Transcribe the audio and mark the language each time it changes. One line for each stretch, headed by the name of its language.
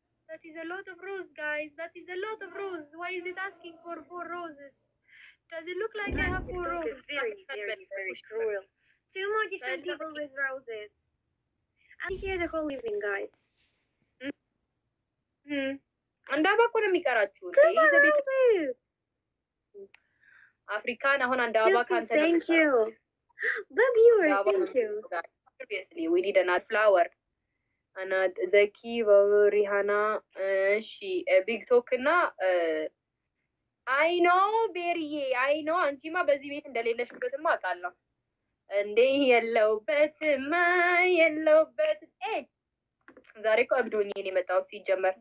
English: That is a lot of rose, guys. Why is it asking for 4 roses? Does it look like I have 4 roses? Very, very, very cruel. Two more different people with roses. I'm here the whole evening, guys. And I'm not going to make it. Two more roses! Africa, now I'm going to make it. Thank you. The viewer, thank you. Seriously, we need another flower.
Amharic: አናት ዘኪ ወሪሃና እሺ ቢግቶክ እና አይ ኖ ቤሪዬ አይ ኖ አንቺማ በዚህ ቤት እንደሌለሽበትማ አውቃለሁ። እንዴ የለውበትማ የለውበት ዛሬ እኮ አብዶኝ ነው የመጣው ሲጀመር